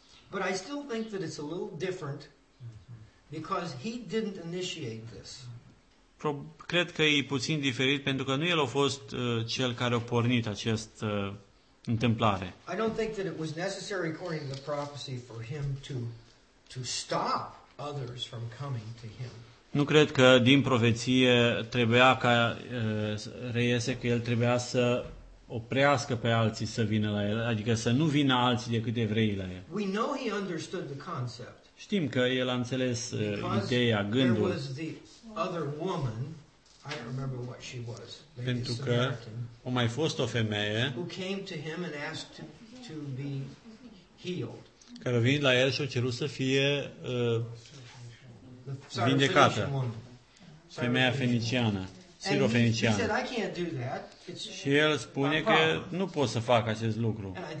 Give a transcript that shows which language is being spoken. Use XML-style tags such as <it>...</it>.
<en>But I still think that it's a little different because he didn't initiate this.</en> <ro>Cred că e puțin diferit pentru că nu el a fost cel care a pornit acest întâmplare.</ro> <en>I don't think that it was necessary according to the prophecy for him to stop others from coming to him.</en> <ro>Nu cred că din profeție trebuia ca reiese că el trebuia să oprească pe alții să vină la el, adică să nu vină alții decât evreii la el.</ro> <en>We know he understood the concept.</en> <ro>Știm că el a înțeles ideea, gândul.</ro> <en>There was the other woman, I don't remember what she was. Maybe</en> <ro>pentru că</ro> <en>Samaritan,</en> <ro>o mai fost o femeie</ro> <en>who came to him and asked to be healed.</en> <ro>Care a venit la el și a cerut să fie vindecată. Femeia feniciană, sirofeniciană.</ro> <en>He said, I can't do that.</en> <ro>Și el spune că nu pot să fac acest lucru.</ro>